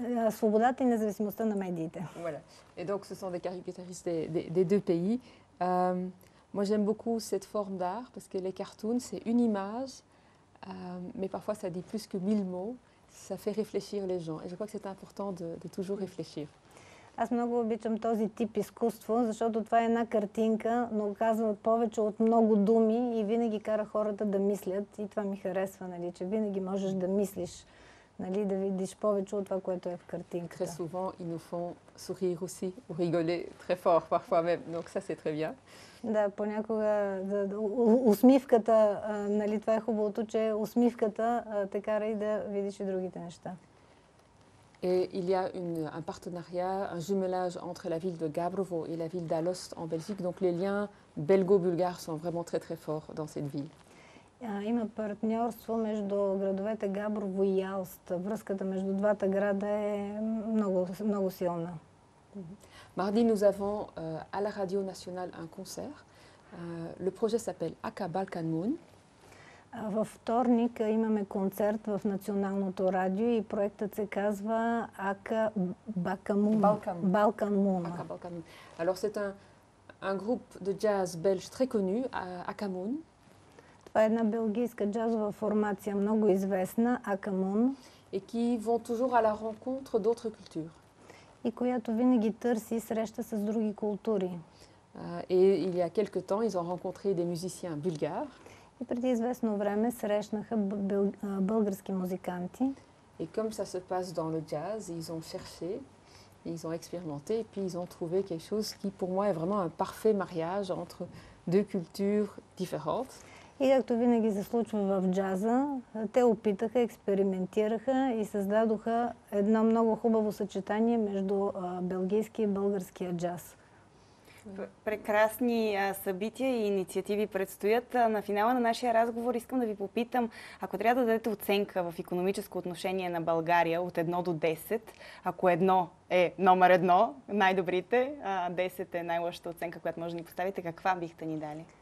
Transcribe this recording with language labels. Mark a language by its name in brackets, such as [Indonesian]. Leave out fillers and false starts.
[Bulgarian] Свободата и независимостта на медиите. [French] Voilà. Et donc ce sont des caricaturistes des deux pays. Moi j'aime beaucoup cette forme d'art parce que les cartoons c'est une image mais parfois ça dit plus que 1000 mots, ça fait réfléchir les gens et je crois que c'est important de toujours réfléchir. [Bulgarian] Аз много обичам този тип изкуство, защото това е една картинка, но казва повече от много думи и винаги кара хората да мислят и това ми харесва, нали, че винаги можеш да мислиш. Нали, да видиш повече от това, което е в картинката. [French] Très souvent, ils nous font sourire aussi, ou rigoler très fort parfois même. Donc ça c'est très bien. [Bulgarian] Да, понякога усмивката, нали, това е хубавото, че усмивката те кара и да видиш и другите неща. [French] Et il y a un partenariat, un jumelage entre la ville de Gabrovo et la ville d'Alost en Belgique. Donc les liens belgo-bulgares sont vraiment très très forts dans cette ville. [Bulgarian] Има партньорство между градовете Габрово и Алст. Връзката между двата града е много, много силна. [French] Mardi nous avons à la Radio Nationale un concert. Le projet s'appelle Aka Balkan Moon. [Bulgarian] Във вторник имаме концерт в Националното радио и проектът се казва Aka Balkan Moon. [French] Aka Balkan Moon. Alors c'est un groupe de jazz belge très connu, Aka Moon. [Bulgarian] Това е една белгийска джазова формация, много известна, Акамун. [French] Et qui vont toujours à la rencontre d'autres cultures. [Bulgarian] И която винаги търси среща с други култури. [French] Et il y a quelque temps, ils ont rencontré des musiciens bulgares. [Bulgarian] И преди известно време срещнаха български музиканти. [French] Et comme ça se passe dans le jazz, ils ont cherché, ils ont expérimenté, et puis ils ont trouvé quelque chose qui pour moi est vraiment un parfait mariage entre deux cultures différentes. [Bulgarian] И както винаги се случва в джаза, те опитаха, експериментираха и създадоха едно много хубаво съчетание между белгийски и българския джаз. Прекрасни събития и инициативи предстоят. На финала на нашия разговор искам да ви попитам, ако трябва да дадете оценка в икономическо отношение на България от 1 до 10, ако 1 е номер 1, най-добрите, 10 е най-лошата оценка, която може да ни поставите, каква бихте ни дали?